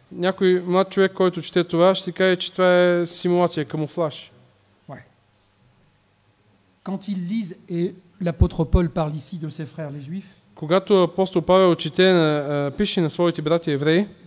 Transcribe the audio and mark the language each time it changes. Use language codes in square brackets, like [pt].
[bg] Някой млад човек, който чете това, ще каже, че това е симулация, камуфлаж. [fr] Ouais. Quand ils lisent, et l'apôtre Paul parle ici de ses frères, les Juifs, [bg] когато апостол Павел чете, пише на своите братя евреи,